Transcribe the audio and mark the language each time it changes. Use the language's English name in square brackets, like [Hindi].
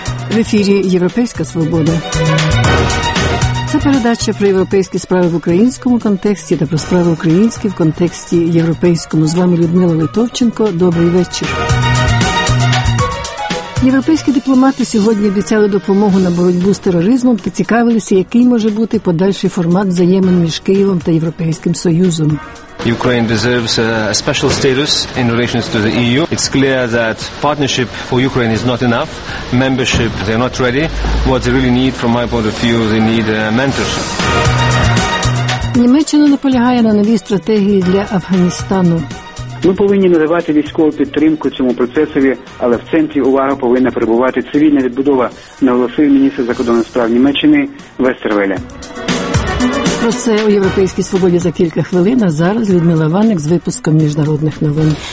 [Ukrainian] В ефірі «Європейська свобода». Це передача про європейські справи в українському контексті та про справи українські в контексті європейському. З вами Людмила Литовченко. Добрий вечір. Європейські дипломати сьогодні обіцяли допомогу на боротьбу з тероризмом, поцікавилися, який може бути подальший формат взаємин між Києвом та Європейським Союзом. [English] Ukraine deserves a special status in relation to the EU. It's clear that partnership for Ukraine is not enough. Membership, they're not ready. What they really need, from my point of view, they need a mentorship. [Ukrainian] Німеччина наполягає на новій стратегії для Афганістану. Ми повинні надавати військову підтримку цьому процесові, але в центрі уваги повинна перебувати цивільна відбудова, наголосив міністр закордонних справ Німеччини Вестервеле. Про це у Європейській свободі за кілька хвилин, а зараз Людмила Ванник з випуском міжнародних новин.